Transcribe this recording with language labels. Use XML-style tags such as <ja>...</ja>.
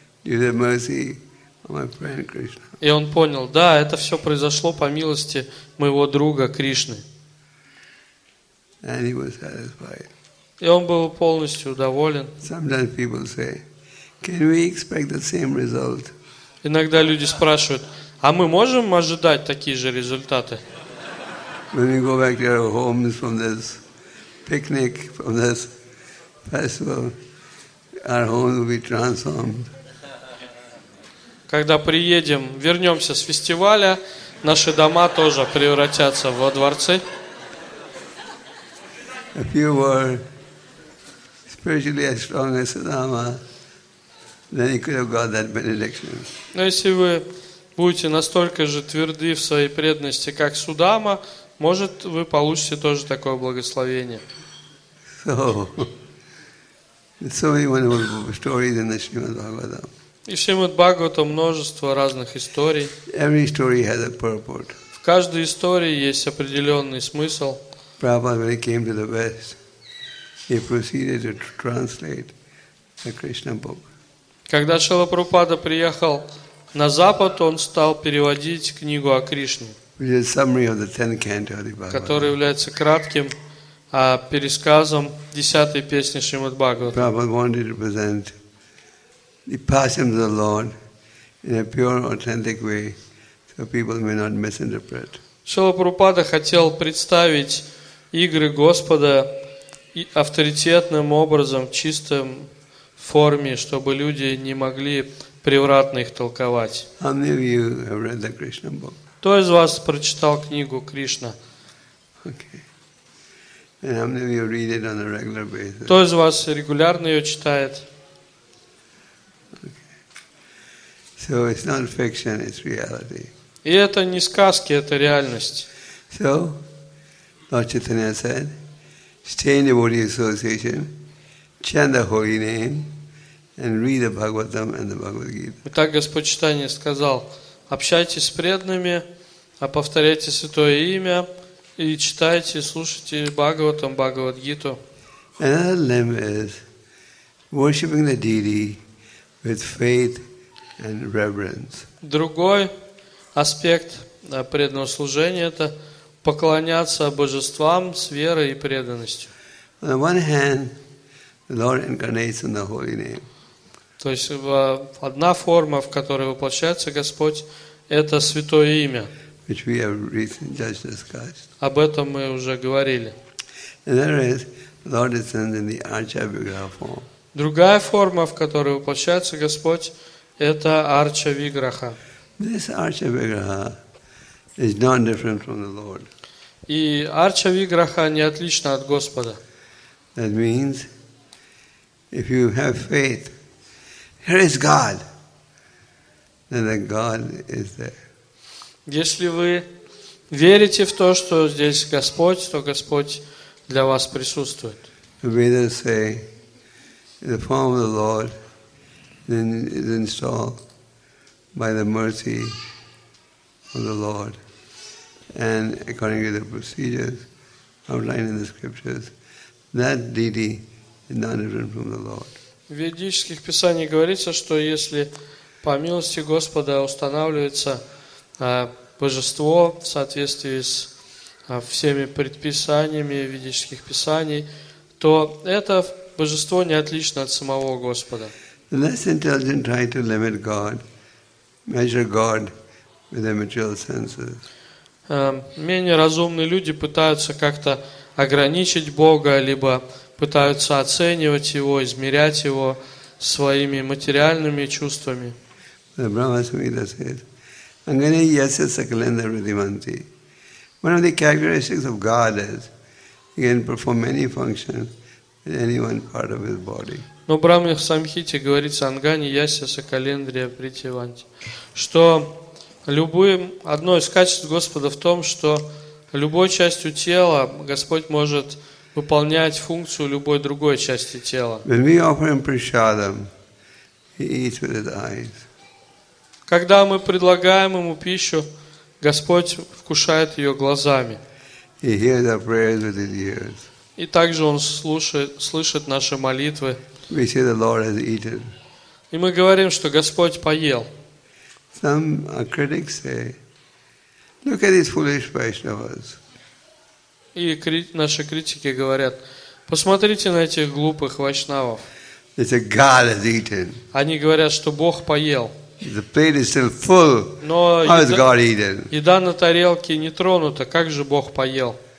<en>Due to the mercy of my friend Krishna.</en> <ru>И он понял: да, это все произошло по милости моего друга Кришны.</ru> <en>And he was satisfied.</en> <ru>И он был полностью удоволен.</ru> <en>Sometimes people say, "Can we expect the same result?"</en> <ru>Иногда люди спрашивают: а мы можем ожидать такие же результаты?</ru> <en>When we go back to our homes from this picnic, from this festival, our homes will be transformed.</en> <ru>Когда приедем, вернемся с фестиваля, наши дома тоже превратятся во дворцы.</ru> <en>If you were spiritually as strong as Siddhama, then you could have got that benediction.</en> <ru>Но если вы будете настолько же тверды в своей преданности, как Судама, может, вы получите тоже такое благословение.</ru> <en>So, there's so many wonderful stories in the Srimad Bhagavatam.</en> <ru>И в Шримад-Бхагаватам множество разных историй.</ru> <en>Every story has a purport.</en> <ru>В каждой истории есть определенный смысл.</ru> <en>Prabhupada, when he came to the West, he proceeded to translate the Krishna book.</en> <ru>Когда Шрила Прабхупада приехал на Запад, он стал переводить книгу о Кришне,</ru> <en>which is a summary of the 10th canto of the Bhagavatam.</en> <ru>Который является кратким пересказом 10-й песни Шримад-Бхагаватам.</ru> <en>Prabhupada wanted to present the passions of the Lord in a pure, authentic way, so people may not misinterpret.</en> <ru>Шрила Прабхупада хотел представить игры Господа авторитетным образом, в чистом форме, чтобы люди не могли превратно их толковать.</ru> <en>How many of you have read the Krishna book?</en> <ru>Кто из вас прочитал книгу Кришна?</ru> <en>Okay. And how many of you read it on a regular basis?</en> <ru>Кто из вас регулярно ее читает?</ru> <en>So it's not fiction, it's reality.</en> <ru>И это не сказки, это реальность.</ru> <en>So, Lord Chaitanya said, stay in devotee association, chant the holy name, and read the Bhagavatam and the Bhagavad Gita.</en> <ru>Итак, Господь Читания сказал, общайтесь с преданными, а повторяйте святое имя, и читайте, слушайте Бхагаватам, Бхагавад Гиту.</ru> <en>Another limb is worshipping the deity with faith and reverence.</en> <ru>Другой аспект преданного служения – это поклоняться божествам с верой и преданностью.</ru> <en>On the one hand, the Lord incarnates in the holy name.</en> <ru>То есть одна форма, в которой воплощается Господь, это святое имя.</ru> <en>Which we have recently just discussed.</en> <ru>Об этом мы уже говорили.</ru> <en>And there is, Lord is in the archa-vigra form.</en> <ru>Другая форма, в которой воплощается Господь, это арча-виграха.</ru> <en>This archa-vigraha is not different from the Lord.</en> <ru>И арча-виграха не отлична от Господа.</ru> <en>That means, if you have faith, here is God, then the God is there.</en> <ru>Если вы верите в то, что здесь Господь, то Господь для вас присутствует.</ru> <en>The Vedas say, the form of the Lord then is installed by the mercy of the Lord. And according to the procedures outlined in the scriptures, that deity is not different from the Lord.</en> <ru>В ведических писаниях говорится, что если по милости Господа устанавливается божество в соответствии с всеми предписаниями ведических писаний, то это божество не отлично от самого Господа.</ru> <en>The less intelligent try to limit God, measure God with their material senses.</en> <ru>Менее разумные люди пытаются как-то ограничить Бога, либо пытаются оценивать Его, измерять Его своими материальными чувствами.</ru> <en>The Brahma Samhita says,</en> <sa>Angane yasya sakalendra vridhimanti.</sa> <en>One of the characteristics of God is He can perform many functions with any one part of His body.</en> <ru>Но в Брахме Самхите говорится</ru> <sa>Ангани яся сакалендрия притиванти,</sa> <ru>что любым, одно из качеств Господа в том, что любой частью тела Господь может выполнять функцию любой другой части тела.</ru> <en>When we offer him prasadam, he eats with his eyes.</en> <ru>Когда мы предлагаем ему пищу, Господь вкушает ее глазами.</ru> <en>He hears our prayers with his ears.</en> <ru>И также он слышит наши молитвы.</ru> <en>We say the Lord has eaten.</en> <ru>И мы говорим, что Господь поел.</ru> <en>Some critics say, look at these foolish Vaishnavas.</en> <ru>И наши критики говорят, посмотрите на этих глупых вайшнавов.</ru> <en>They say, God has eaten.</en> <ru>Они говорят, что Бог поел.</ru> <en>The plate is still full.</en> <ru>Но</ru> <en>how is God eaten?</en> <ru>Еда на тарелке не тронута, как же Бог поел?</ru>